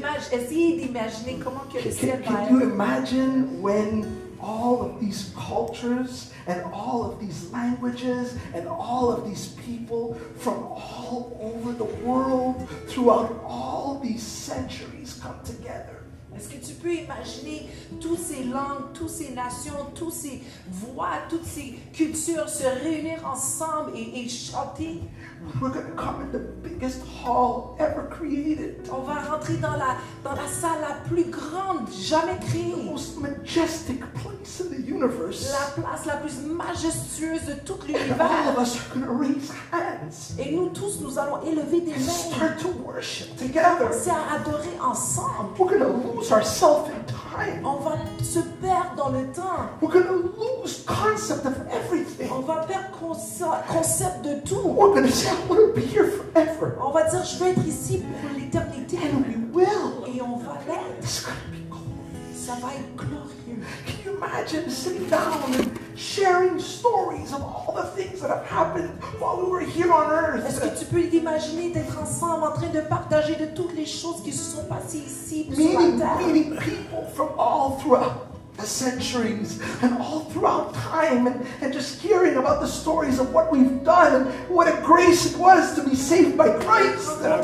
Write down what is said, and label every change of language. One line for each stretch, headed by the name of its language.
English: Can you imagine when all of these cultures and all of these languages and all of these people from all over the world throughout all these centuries come together?
French: Est-ce que tu peux imaginer toutes ces langues, toutes ces nations, toutes ces voix, toutes ces cultures se réunir ensemble et chanter?
English: We're going to come in the biggest hall ever created.
French: On va rentrer dans la salle la plus grande jamais créée.
English: The most majestic place in the universe.
French: La place la plus majestueuse de tout l'univers.
English: And all of us are going to raise hands.
French: Et nous tous, nous allons élever des mains.
English: Start to worship together.
French: C'est à adorer ensemble.
English: We're going to lose ourselves in time.
French: On va se perdre dans le temps.
English: We're going to lose concept of everything.
French: On va perdre concept de tout.
English: We're going to say, I want to be here forever.
French: On va dire, je vais être ici pour l'éternité.
English: And we will.
French: Et on va l'être.
English: It's going to be glorious.
French: Ça va être glorieux.
English: Can you imagine sitting down and sharing stories of all the things that have happened while we were here on earth?
French: Est-ce que tu peux imaginer d'être ensemble en train de partager de toutes les choses qui se sont passées ici
English: meeting,
French: sur la terre?
English: Meeting people from all throughout the centuries and all throughout time, and just hearing about the stories of what we've done and what a grace it was to be saved by Christ.